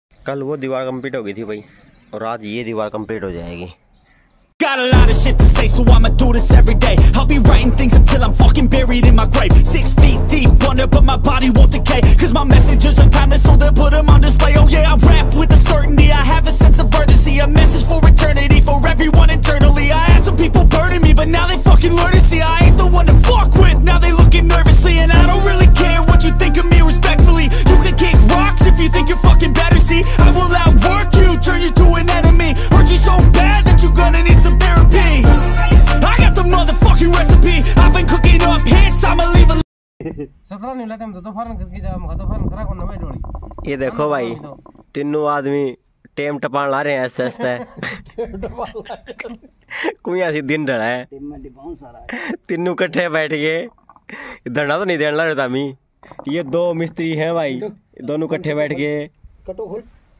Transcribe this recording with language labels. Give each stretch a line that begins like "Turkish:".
Hindi: कल वो दीवार कंप्लीट हो गई थी भाई, और आज ये दीवार कंप्लीट हो जाएगी।
English: Got a lot of shit to say, so I'ma do this every day. I'll be writing things until I'm fucking buried in my grave. 6 feet deep under, but my body won't decay. Cause my messages are timeless, so they'll put them on display. Oh yeah, I rap with a certainty, I have a sense of urgency. A message for eternity, for everyone internally. I had some people burning me, but now they fucking learn to see. I ain't the one to fuck with, now they looking nervously. And I don't really care what you think of me respectfully. You can kick rocks if you think you're fucking better, see. I will outwork you, turn you to an enemy. Hurt you so bad that you're gonna need some therapy. I got the motherfucking recipe. I've been cooking up hits, I'ma leave a...
Hindi: ये देखो भाई, तीनों आदमी टेम टपान ला रहे हैं ऐसे ऐसे। कोई ऐसी दिन रहा है। तीनों कट्ठे बैठ गए। धरना तो नहीं देने लगे था मी। ये दो मिस्त्री हैं भाई, दोनों कट्ठे बैठ गए।